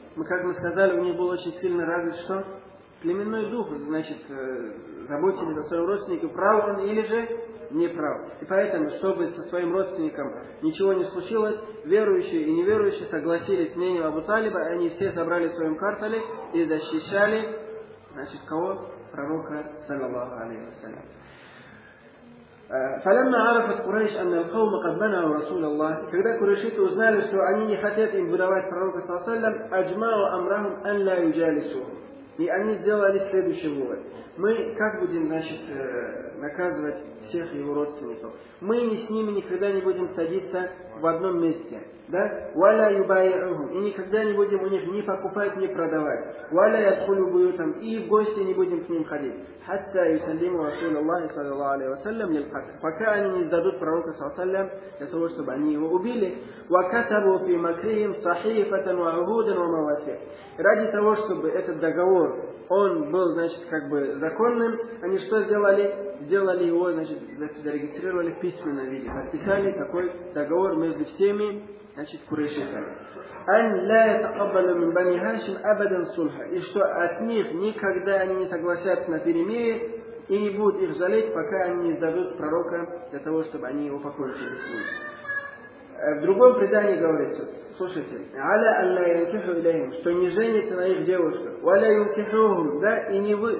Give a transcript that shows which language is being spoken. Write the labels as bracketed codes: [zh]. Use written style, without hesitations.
[ru] Мы, как мы сказали, у них был очень сильно развит что? Племенной дух, значит, заботились о своем родственнике, прав он или же неправ. И поэтому, чтобы со своим родственником ничего не случилось, верующие и неверующие согласились с мнением Абу Талиба, и они все собрали в своем квартале и защищали, значит, кого? Пророка, саллаллаху алейхи ва саллям. [ar] فلما عرفت قريش أن القوم قد منعوا رسول الله كذا قريشيت [ru] узнали что они не хотят им выдавать пророка [ar] صلى الله عليه وسلم أمرهم أن لا يجالسوهم. [ru] И они сделали следующий вывод: мы как будем, значит, наказывать всех его родственников? Мы ни с ними никогда не будем садиться в одном месте, да? [ar] ولا يبايعهم, [ru] и никогда не будем у них ни покупать ни продавать. [ar] ولا يدخلوا بيوتهم, [ru] и в гости не будем к ним ходить. [ar] حتى يسلموا رسول الله صلى الله عليه وسلم للقتل. [ru] Пока они не сдадут пророка [ar] صلى الله عليه وسلم [ru] для того, чтобы они его убили. [ar] وكتبوا في مكرهم صحيفة وعهودا ومواثيق. [ru] Ради того, чтобы этот договор он был, значит, как бы законным, они что сделали? Сделали его, значит, зарегистрировали в письменном виде. Подписали такой договор между всеми, значит, курайшитами. [ar] أن لا يتقبل من بني هاشم أبدا صلحا. [ru] И что от них никогда они не согласятся на перемирие и не будут их жалеть, пока они не сдадут пророка для того, чтобы они его покончили с ним. В другом предании говорится, слушайте, [ar] على أن لا ينكحوا إليهم, [ru] что не женятся на их девушках, [ar] ولا ينكحوهم, [ru] да, и не